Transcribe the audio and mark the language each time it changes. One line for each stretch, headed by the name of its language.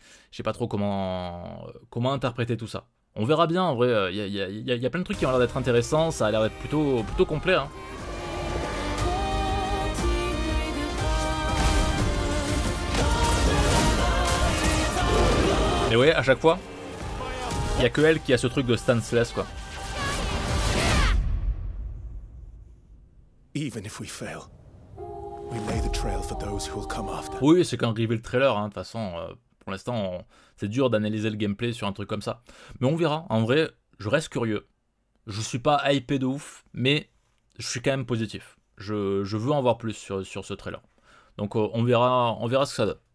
French: Je sais pas trop comment interpréter tout ça. On verra bien, en vrai, y a plein de trucs qui ont l'air d'être intéressants, ça a l'air d'être plutôt complet, hein. Mais vous voyez, à chaque fois, il n'y a que elle qui a ce truc de stanceless, quoi.
English: Even if we fail, we lay the trail for those who will come after.
French: Oui, c'est qu'un reveal trailer, hein. De toute façon, pour l'instant, c'est dur d'analyser le gameplay sur un truc comme ça. Mais on verra. En vrai, je reste curieux. Je suis pas hypé de ouf, mais je suis quand même positif. Je veux en voir plus sur ce trailer. Donc on verra ce que ça donne.